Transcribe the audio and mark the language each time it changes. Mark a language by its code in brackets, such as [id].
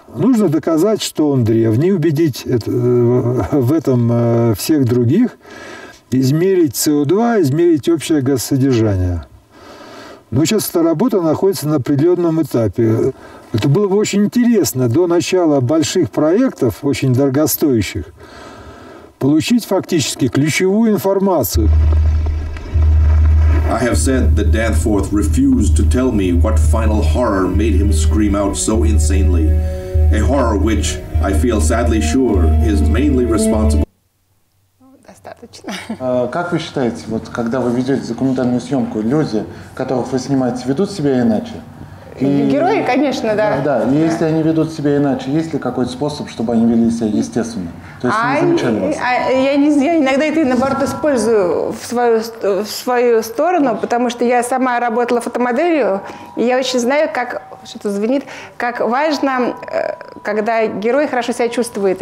[ru] Нужно доказать, что он древний, убедить в этом всех других, измерить СО2, измерить общее газосодержание. Но сейчас эта работа находится на определенном этапе. Это было бы очень интересно до начала больших проектов, очень дорогостоящих, получить фактически ключевую информацию. [en] I have said that Danforth refused to tell me what final horror made him scream out so insanely. A horror which, I feel sadly sure, is mainly responsible. [ru] Достаточно. Как вы считаете, вот когда вы ведете документальную съемку, люди, которых вы снимаете, ведут себя иначе? Герои, конечно, да. Да, да. И если они ведут себя иначе, есть ли какой-то способ, чтобы они вели себя естественно? То есть не замечали вас? Я иногда это, наоборот, использую в свою сторону, потому что я сама работала фотомоделью, и я очень знаю, как что-то звенит, как важно, когда герой хорошо себя чувствует.